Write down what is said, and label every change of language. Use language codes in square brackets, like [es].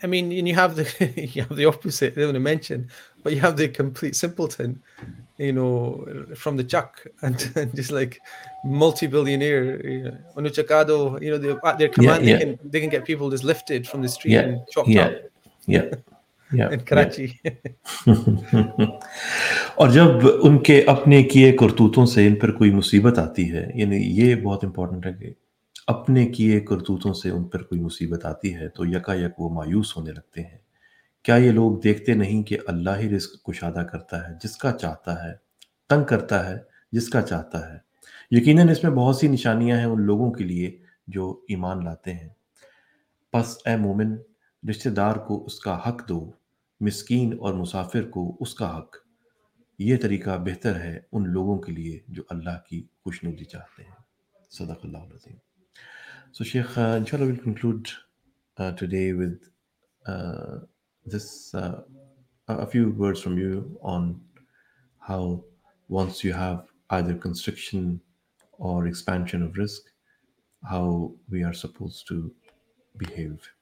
[en] I mean, and you have the you have the opposite. I don't want to mention, but you have the complete simpleton, you know, from the chuck and just like multi-billionaire, you know, Onuchakado, you know, at their command, they can get people just lifted from the street and chopped up. Yeah. In Karachi. And when they have their own kurtutun, they have some [ur] musibat aati hai. [en] This is very important. [ur] اپنے کیے کرتوتوں سے ان پر کوئی مصیبت آتی ہے تو یکا یک وہ مایوس ہونے لگتے ہیں کیا یہ لوگ دیکھتے نہیں کہ اللہ ہی رزق کشادہ کرتا ہے جس کا چاہتا ہے تنگ کرتا ہے جس کا چاہتا ہے یقیناً اس میں بہت سی نشانیاں ہیں ان لوگوں کے لیے جو ایمان لاتے ہیں پس اے مومن رشتہ دار کو اس کا حق دو مسکین اور مسافر کو اس کا حق یہ طریقہ بہتر ہے ان لوگوں کے لیے جو اللہ کی خوشنودی چاہتے ہیں صدق اللہ العظیم. [en] So Sheikh, inshallah, we'll conclude today with a few words from you on how once you have either constriction or expansion of risk, how we are supposed to behave.